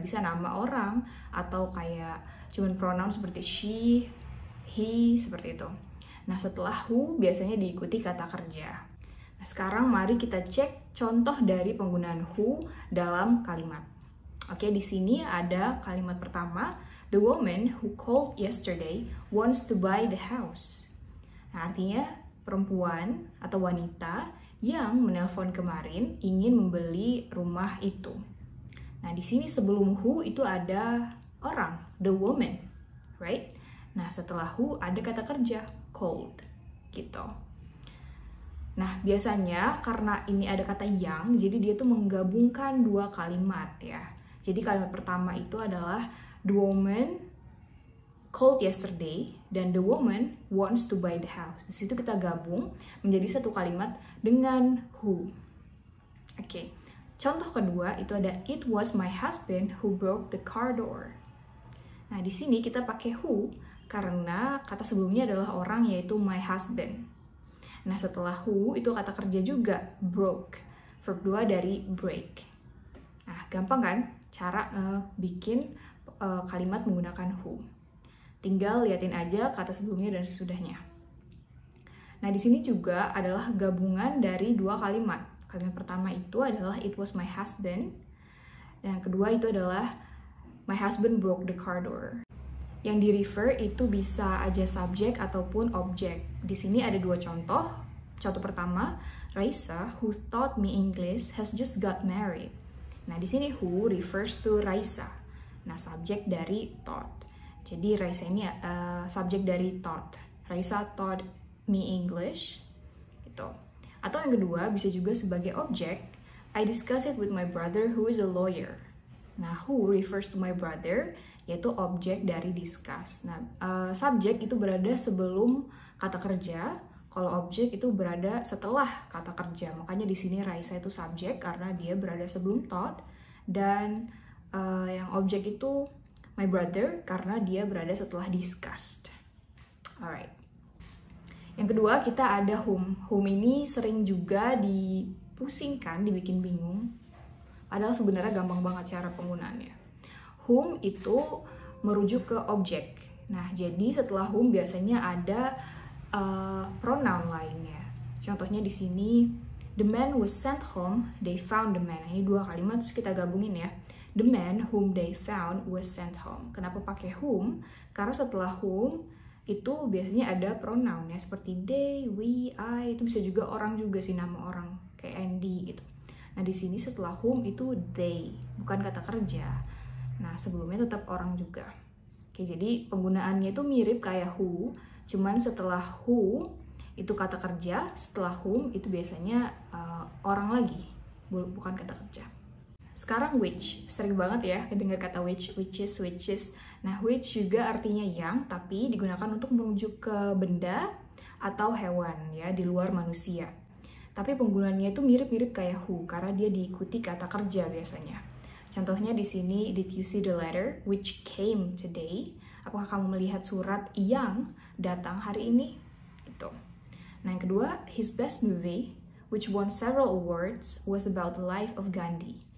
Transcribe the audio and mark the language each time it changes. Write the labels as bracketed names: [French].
[Indonesian] Bisa nama orang atau kayak cuman pronoun seperti she, he, seperti itu. Nah, setelah who biasanya diikuti kata kerja. Nah, sekarang mari kita cek contoh dari penggunaan who dalam kalimat. Oke, di sini ada kalimat pertama. [English] The woman who called yesterday wants to buy the house. [Indonesian] Nah, artinya perempuan atau wanita yang menelpon kemarin ingin membeli rumah itu. Nah, di sini sebelum who itu ada orang, [English] the woman, right? [Indonesian] Nah, setelah who ada kata kerja, called, gitu. Nah, biasanya karena ini ada kata yang, jadi dia tuh menggabungkan dua kalimat ya. Jadi kalimat pertama itu adalah [English] the woman called yesterday [Indonesian] dan [English] the woman wants to buy the house. [Indonesian] Di situ kita gabung menjadi satu kalimat dengan who. Oke. Contoh kedua itu ada [English] it was my husband who broke the car door. [Indonesian] Nah, di sini kita pakai who karena kata sebelumnya adalah orang yaitu my husband. Nah, setelah who, itu kata kerja juga, broke. Verb 2 dari break. Nah, gampang kan cara bikin kalimat menggunakan who? Tinggal liatin aja kata sebelumnya dan sesudahnya. Nah, di sini juga adalah gabungan dari dua kalimat. Kalimat pertama itu adalah [English] it was my husband. [Indonesian] Dan yang kedua itu adalah [English] my husband broke the car door. [Indonesian] Yang di refer itu bisa aja subjek ataupun objek. Di sini ada dua contoh. Contoh pertama, [English] Raisa, who taught me English, has just got married. [Indonesian] Nah, di sini who refers to Raisa. Nah, subjek dari taught. Jadi, Raisa ini subjek dari taught. [English] Raisa taught me English. [Indonesian] Gitu. Atau yang kedua, bisa juga sebagai objek. [English] I discuss it with my brother who is a lawyer. Nah, who refers to my brother, [Indonesian] yaitu objek dari [English] discuss. [Indonesian] Nah, subjek itu berada sebelum kata kerja, kalau objek itu berada setelah kata kerja. Makanya di sini Raisa itu subjek karena dia berada sebelum thought, dan yang objek itu my brother karena dia berada setelah discussed. Alright. Yang kedua kita ada whom. Whom ini sering juga dipusingkan, dibikin bingung. Padahal sebenarnya gampang banget cara penggunaannya. Whom itu merujuk ke objek. Nah, jadi setelah whom biasanya ada pronoun lainnya. Contohnya di sini, [English] the man was sent home, they found the man. [Indonesian] Ini dua kalimat terus kita gabungin ya. [English] The man whom they found was sent home. [Indonesian] Kenapa pakai whom? Karena setelah whom itu biasanya ada pronoun ya. Seperti they, we, I, itu bisa juga orang juga sih, nama orang. Kayak Andy gitu. Nah, di sini setelah whom itu they, bukan kata kerja. Nah, sebelumnya tetap orang juga. Oke, jadi penggunaannya itu mirip kayak who, cuman setelah who itu kata kerja, setelah whom itu biasanya orang lagi, bukan kata kerja. Sekarang which, sering banget ya dengar kata which, which is. Nah, which juga artinya yang, tapi digunakan untuk merujuk ke benda atau hewan ya, di luar manusia. Tapi penggunaannya itu mirip-mirip kayak who, karena dia diikuti kata kerja biasanya. Contohnya di sini, [English] did you see the letter which came today? [Indonesian] Apakah kamu melihat surat yang datang hari ini? Gitu. [English] Nah, yang kedua, his best movie, which won several awards, was about the life of Gandhi.